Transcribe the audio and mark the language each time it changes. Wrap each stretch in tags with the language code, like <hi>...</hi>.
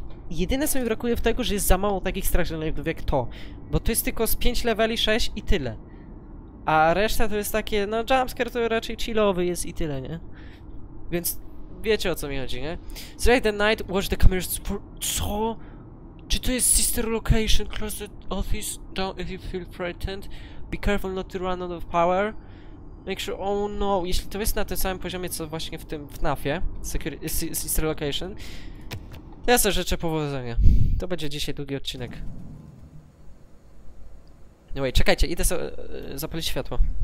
<pl>Jedyne, co mi brakuje w tego, że jest za mało takich strasznych levelów jak to. Bo to jest tylko z 5 leveli 6 i tyle. A reszta to jest takie, no jumpscare to raczej chillowy jest i tyle, nie? Więc wiecie, o co mi chodzi, nie?</pl> <en>Slay the night, watch the cameras for...</en> <pl>Co? Czy to jest sister location?</pl> <en>Close the office down if you feel frightened. Be careful not to run out of power. Make sure... Oh no,</en> <pl>jeśli to jest na tym samym poziomie, co właśnie w tym FNAF-ie, sister location, to ja sobie życzę powodzenia. To będzie dzisiaj długi odcinek. No wait, czekajcie, idę sobie zapalić światło.</pl>